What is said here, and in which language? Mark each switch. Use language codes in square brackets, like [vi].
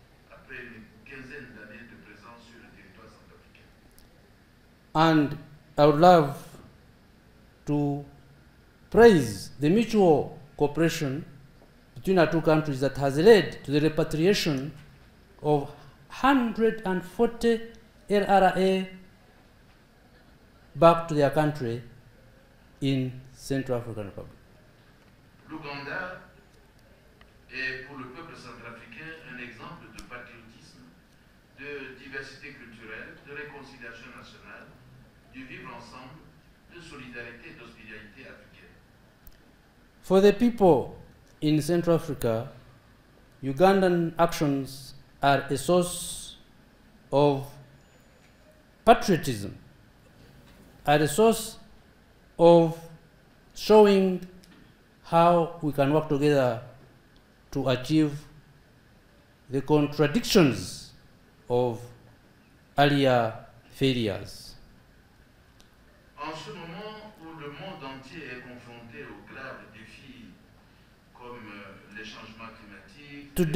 [fr] après une quinzaine d'années de présence sur le territoire centrafricain. [en] And I would love to praise the mutual cooperation between our two countries that has led to the repatriation of 140 LRA back to their country in Central African Republic. [fr] L'Ouganda est pour le peuple centrafricain un exemple de patriotisme, de diversité culturelle, de réconciliation nationale, du vivre ensemble, de solidarité et d'hospitalité africaine. [en] For the people in Central Africa, Ugandan actions are a source of patriotism, are a source of showing how we can work together to achieve the contradictions of earlier failures. [fr] En ce moment où le monde entier est confronté aux graves défis comme les changements climatiques,